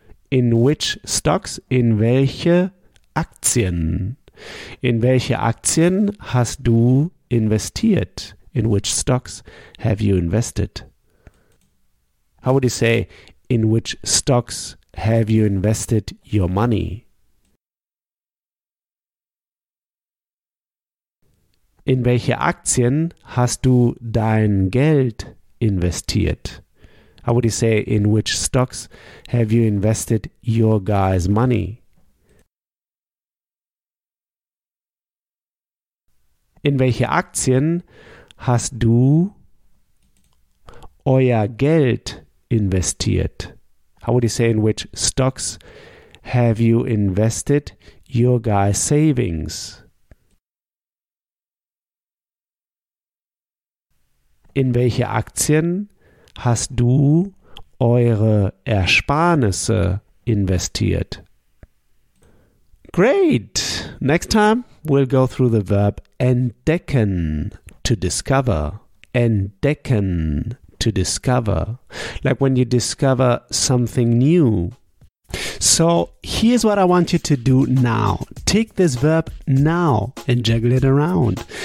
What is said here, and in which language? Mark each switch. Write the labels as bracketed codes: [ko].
[en] In which stocks? [de] In welche Aktien? In welche Aktien hast du investiert? [en] In which stocks have you invested? How would you say, in which stocks have you invested your money? [de] In welche Aktien hast du dein Geld investiert? [en] How would you say, in which stocks have you invested your guy's money? [de] In welche Aktien hast du euer Geld investiert? [en] How would you say, in which stocks have you invested your guy's savings? [de] In welche Aktien hast du eure Ersparnisse investiert? [en] Great! Next time we'll go through the verb entdecken, to discover. Entdecken, to discover. Like when you discover something new. So here's what I want you to do now. Take this verb now and juggle it around.